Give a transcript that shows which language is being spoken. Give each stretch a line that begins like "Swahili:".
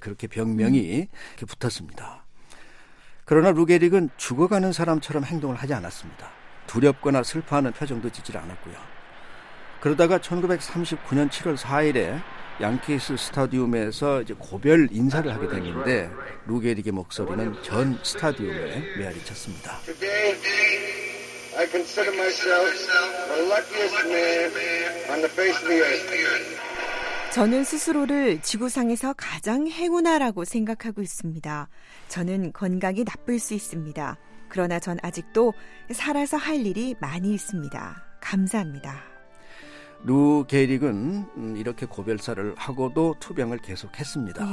Korean: 그렇게 병명이 이렇게 붙었습니다. 그러나 루기 에릭은 죽어가는 사람처럼 행동을 하지 않았습니다. 두렵거나 슬퍼하는 표정도 짓질 않았고요. 그러다가 1939년 7월 4일에 양키스 스타디움에서 이제 고별 인사를 하게 됐는데 루기 에릭의 목소리는 전 스타디움에 메아리 쳤습니다.
English: Today, I consider myself the luckiest man on the face of the earth.
Korean: 저는 스스로를 지구상에서 가장 행운아라고 생각하고 있습니다. 저는 건강이 나쁠 수 있습니다. 그러나 전 아직도 살아서 할 일이 많이 있습니다. 감사합니다. 루 게릭은 이렇게 고별사를 하고도 투병을 계속했습니다.